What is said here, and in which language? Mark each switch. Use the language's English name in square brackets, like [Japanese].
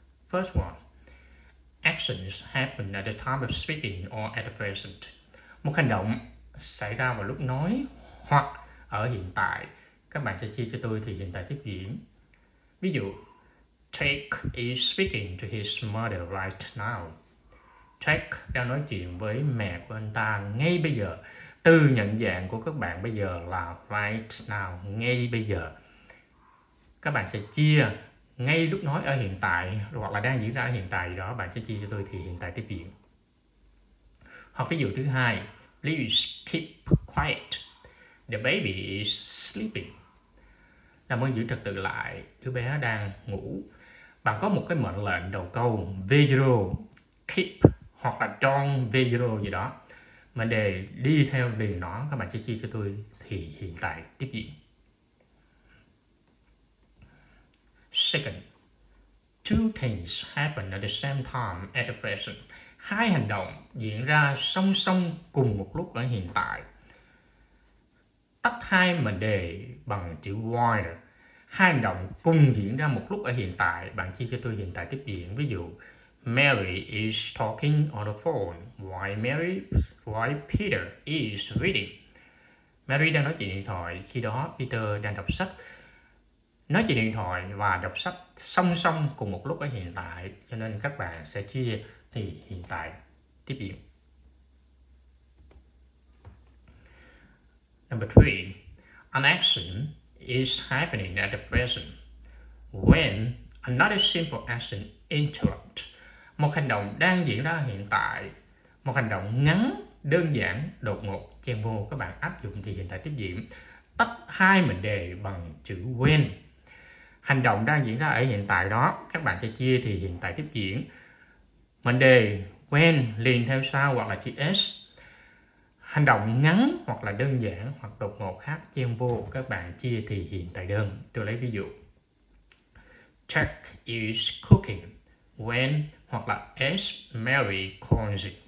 [English] First one, actions happen at the time of speaking or at the present. [Vietnamese] Một hành động xảy ra vào lúc nói hoặc ở hiện tại. Các bạn sẽ chia cho tôi thì hiện tại tiếp diễn. Ví dụ, [English] Jake is speaking to his mother right now. [Vietnamese] Jake đang nói chuyện với mẹ của anh ta ngay bây giờ. Từ nhận dạng của các bạn bây giờ là [English] right now, [Vietnamese] ngay bây giờ. Các bạn sẽ chia ngay lúc nói ở hiện tại hoặc là đang diễn ra ở hiện tại gì đó, bạn sẽ chia cho tôi thì hiện tại tiếp diễn. Hoặc ví dụ thứ hai, [English] please keep quiet. The baby is sleeping. [Vietnamese] Làm ơn giữ trật tự lại, đứa bé đang ngủ. Bạn có một cái mệnh lệnh đầu câu, video, keep hoặc là don't video gì đó. Mà để đi theo liền nó, các bạn sẽ chia cho tôi thì hiện tại tiếp diễn. [English] Second, two things happen at the same time at the present. [Vietnamese] Hai hành động diễn ra song song cùng một lúc ở hiện tại. Tách hai mệnh đề bằng chữ while. Hai hành động cùng diễn ra một lúc ở hiện tại. Bạn chia cho tôi hiện tại tiếp diễn. Ví dụ, [English] Mary is talking on the phone. Why Peter is reading. [Vietnamese] Mary đang nói chuyện điện thoại. Khi đó, Peter đang đọc sách. Nói chuyện điện thoại và đọc sách song song cùng một lúc ở hiện tại, cho nên các bạn sẽ chia thì hiện tại tiếp diễn. [English] Number 3. An action is happening at the present when another simple action interrupts. [Vietnamese] Một hành động đang diễn ra hiện tại, một hành động ngắn, đơn giản, đột ngột, chen vô, các bạn áp dụng thì hiện tại tiếp diễn. Tách hai mệnh đề bằng chữ when. Hành động đang diễn ra ở hiện tại đó, các bạn sẽ chia thì hiện tại tiếp diễn. Mệnh đề when liền theo sau hoặc là chữ s. Hành động ngắn hoặc là đơn giản hoặc đột ngột khác chen vô, các bạn chia thì hiện tại đơn. Tôi lấy ví dụ. [English] Jack is cooking when [Vietnamese] hoặc là [English] as Mary calls.